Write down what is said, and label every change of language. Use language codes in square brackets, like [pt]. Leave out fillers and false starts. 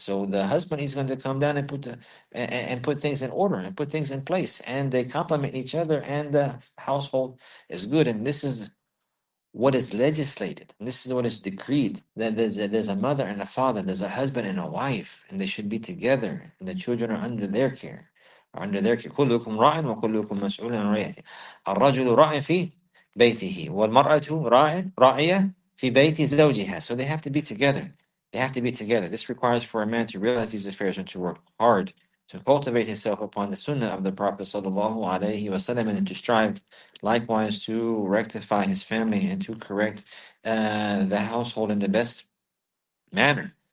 [en] So the husband, he's going to come down and put things in order and put things in place. And they complement each other, and the household is good. And this is what is legislated. And this is what is decreed, that there's a mother and a father, there's a husband and a wife, and they should be together, and the children are under their care. Under their care. [ar] كلكم راع وكلكم مسؤول عن رعيته. الرجل راع في بيته والمرأة راعية في بيت زوجها. [en] So they have to be together. They have to be together. This requires for a man to realize these affairs and to work hard to cultivate himself upon the sunnah of the Prophet sallallahu alaihi wasallam, and to strive likewise to rectify his family and to correct the household in the best manner.